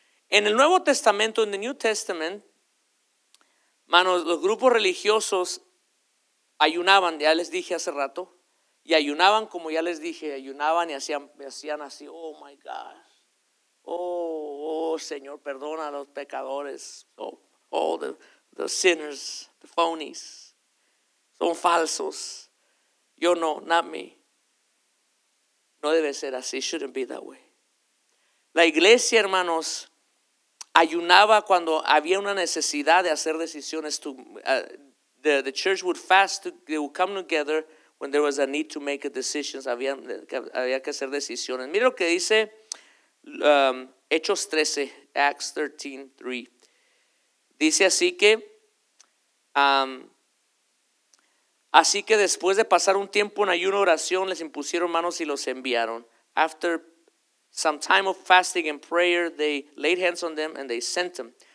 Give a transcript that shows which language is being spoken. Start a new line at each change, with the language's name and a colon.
Spanish: En el Nuevo Testamento,
English: in the New Testament,
Spanish: manos, los grupos religiosos ayunaban, ya les dije hace rato, y ayunaban, como ya les dije, ayunaban y hacían así,
English: oh my God,
Spanish: oh Señor, perdona a los pecadores,
English: all the sinners, the phonies,
Spanish: son falsos, yo no,
English: not me.
Spanish: No debe ser así,
English: shouldn't be that way.
Spanish: La iglesia, hermanos, ayunaba cuando había una necesidad de hacer decisiones.
English: The church would fast, they would come together when there was a need to make decisions.
Spanish: Había que hacer decisiones. Mira lo que dice Hechos 13, Acts 13, 3. Dice así que, después de pasar un tiempo en ayuno oración, les impusieron manos y los enviaron.
English: After some time of fasting and prayer, they laid hands on them and they sent them.